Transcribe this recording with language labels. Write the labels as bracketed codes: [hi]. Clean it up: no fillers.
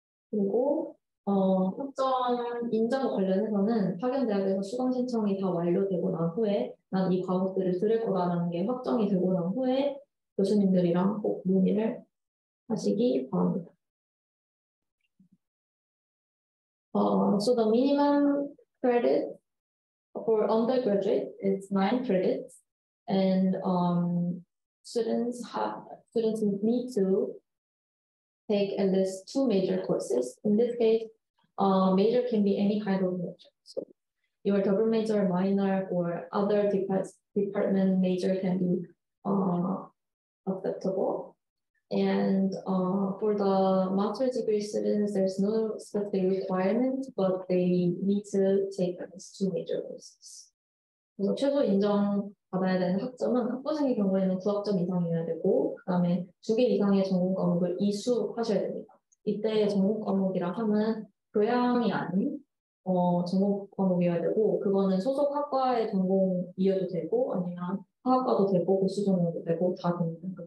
[ko] 그리고 학점 인정 관련해서는 파견대학에서 수강 신청이 다 완료되고 난 후에 난이 과목들을 들을 거라는 게 확정이 되고 난 후에 교수님들이랑 꼭 문의를 하시기 바랍니다. [en] So the minimum credit for undergraduate is 9 credits and students need to take at least two major courses. In this case, major can be any kind of major. So your double major, minor, or other department major can be acceptable. And for the master's degree students, there's no specific requirement, but they need to take at least two major courses. [ko] 그래서 최소 인정 받아야 되는 학점은 학부생의 경우에는 9학점 이상이어야 되고, 그 다음에 2개 이상의 전공 과목을 이수하셔야 됩니다. 이때 전공 과목이라 하면 교양이 아닌 전공 과목이어야 되고, 그거는 소속 학과의 전공이어도 되고, 아니면 화학과도 되고, 고수 전공도 되고, 다 됩니다.